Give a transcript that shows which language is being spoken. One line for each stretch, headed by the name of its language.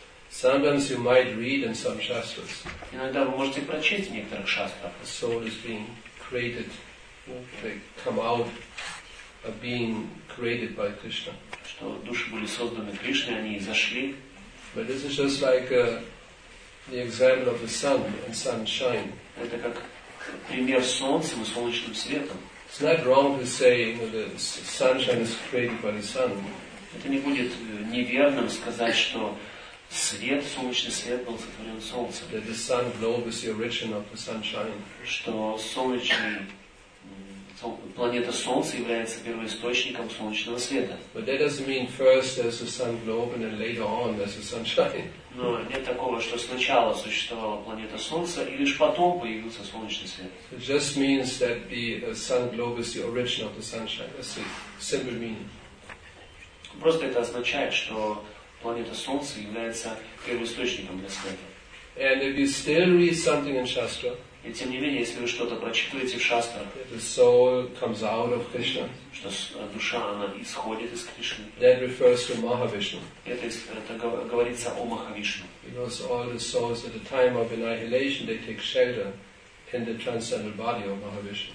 English: Sometimes you might read in some shastras.
Russian: Иногда вы можете прочесть в некоторых шастрах.
English: Soul is being created, they come out of being created by Krishna.
Russian: Что души были созданы Кришной, они изошли.
English: But this is just like the example of the sun and sunshine.
Russian: Это как пример солнца и солнечным светом.
English: It's not wrong to say the sunshine is created by the sun.
Russian: Это не будет неверным сказать, что свет, солнечный свет был сотворен солнцем.
English: That the sun globe is the origin of the sunshine.
Russian: Что солнечный, планета Солнце является первоисточником солнечного света.
English: But that doesn't mean first there's a sun globe and then later on there's a sunshine.
Russian: Но нет такого, что сначала существовала планета Солнца и лишь потом появился солнечный свет.
English: It just means that the sun globe is the origin of the sunshine. That's a simple meaning.
Russian: Просто это означает, что планета Солнце является первоисточником для света.
English: And if you still read something in Shastra,
Russian: и тем не менее, если вы что-то прочитываете в шастрах,
English: the soul comes out of Krishna,
Russian: что душа она исходит из Кришны,
English: that refers to Mahavishnu.
Russian: Это говорится о Махавишну.
English: Because all the souls at the time of annihilation they take shelter in the transcendental body of Mahavishnu.